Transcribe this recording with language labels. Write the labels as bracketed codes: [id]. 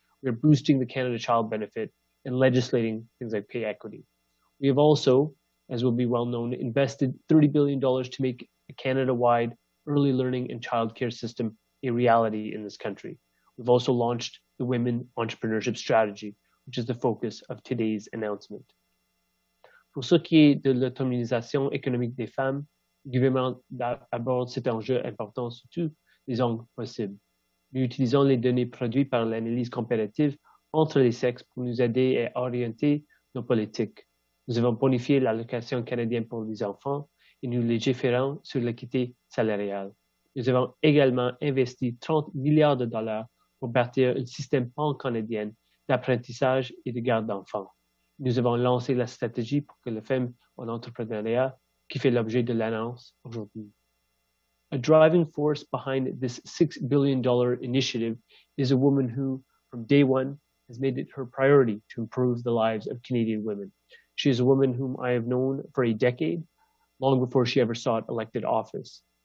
[en] We are boosting the Canada Child Benefit and legislating things like pay equity. We have also, as will be well known, invested $30 billion to make a Canada-wide early learning and childcare system a reality in this country. We've also launched the Women Entrepreneurship Strategy, which is the focus of today's announcement. [fr] Pour ce qui est de l'autonomisation économique des femmes, le gouvernement aborde cet enjeu important sous tous les angles possibles. Nous utilisons les données produites par l'analyse comparative entre les sexes pour nous aider à orienter nos politiques. Nous avons bonifié l'allocation canadienne pour les enfants et nous légiférons sur l'équité salariale. Nous avons également investi 30 milliards de dollars pour bâtir un système pan-canadien d'apprentissage et de garde d'enfants. Nous avons lancé la stratégie pour que les femmes en entrepreneuriat qui fait l'objet de l'annonce aujourd'hui. [en] A driving force behind this $6 billion initiative is a woman who, from day one, has made it her priority to improve the lives of Canadian women. She is a woman whom I have known for a decade, long before she ever sought elected office.